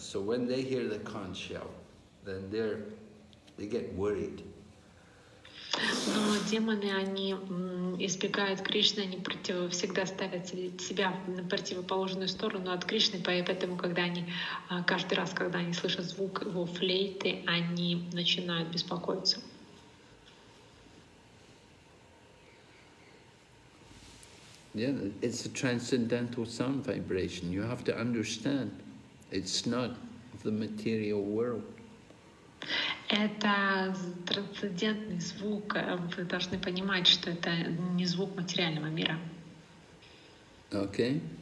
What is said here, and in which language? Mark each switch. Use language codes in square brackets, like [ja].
[en] So when they hear the conch shell, then they get worried. [ru] Но демоны, они избегают Кришны, они всегда ставят себя на противоположную сторону от Кришны, поэтому когда они, каждый раз, когда они слышат звук его флейты, они начинают беспокоиться. [en] Yeah, it's a transcendental sound vibration. You have to understand, it's not of the material world. [ru] Это трансцендентный звук. Вы должны понимать, что это не звук материального мира. [en] Okay.